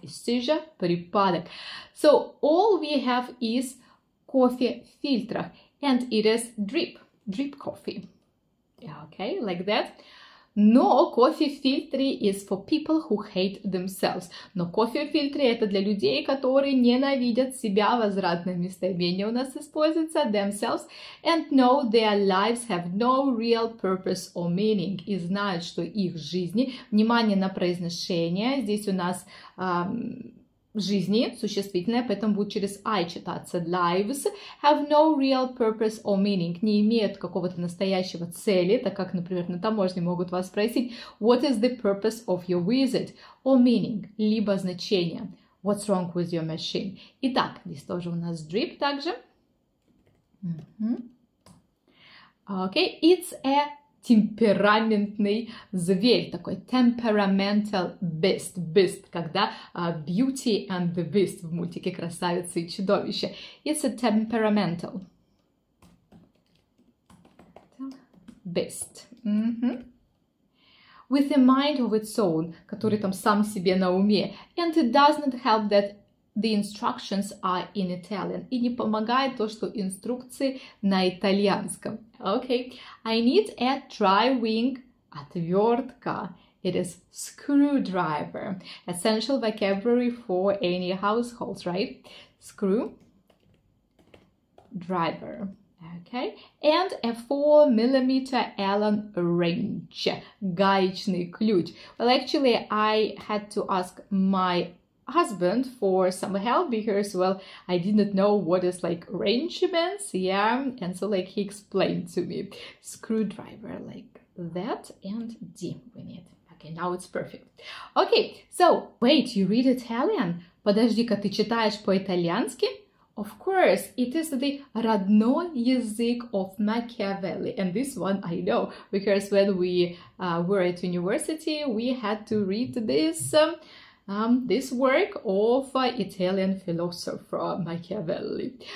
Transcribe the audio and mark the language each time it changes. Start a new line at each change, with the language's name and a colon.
English: Seizure — припадок. So, all we have is coffee filter, and it is drip, drip coffee. Okay, like that.
Russian: Но кофе-фильтры
English: is for people who hate themselves.
Russian: Но кофе-фильтры — это для людей, которые ненавидят себя. Возвратное местоимение у нас используется — themselves.
English: And know their lives have no real purpose or meaning.
Russian: И знают, что их жизни... Внимание на произношение. Здесь у нас жизни, существительное, поэтому будет через I читаться.
English: Lives have no real purpose or meaning.
Russian: Не имеют какого-то настоящего цели, так как, например, на таможне могут вас спросить
English: what is the purpose of your visit? Or meaning,
Russian: либо значение.
English: What's wrong with your machine?
Russian: Итак, здесь тоже у нас drip также.
English: Okay, it's a
Russian: темпераментный зверь, такой
English: temperamental beast, beast,
Russian: когда Beauty and the Beast в мультике «Красавица и чудовище».
English: It's a temperamental beast. Mm-hmm. With a mind of its own,
Russian: который там сам себе на уме.
English: And it does not help that the instructions are in Italian.
Russian: И не помогает то, что инструкции на итальянском.
English: Okay, I need a dry-wing отвертка. It is screwdriver. Essential vocabulary for any household, right? Screwdriver. Okay, and a 4-millimeter Allen wrench.
Russian: Гаечный ключ.
English: Well, actually, I had to ask my husband for some help because, well, I did not know what is like wrench means, yeah, and so like he explained to me. Screwdriver, like that, and D we need. Okay, now it's perfect. Okay, so wait, you read Italian?
Russian: Подожди-ка, ты читаешь по-итальянски?
English: Of course, it is the
Russian: родной язык
English: of Machiavelli, and this one I know because when we were at university, we had to read this this work of Italian philosopher Machiavelli.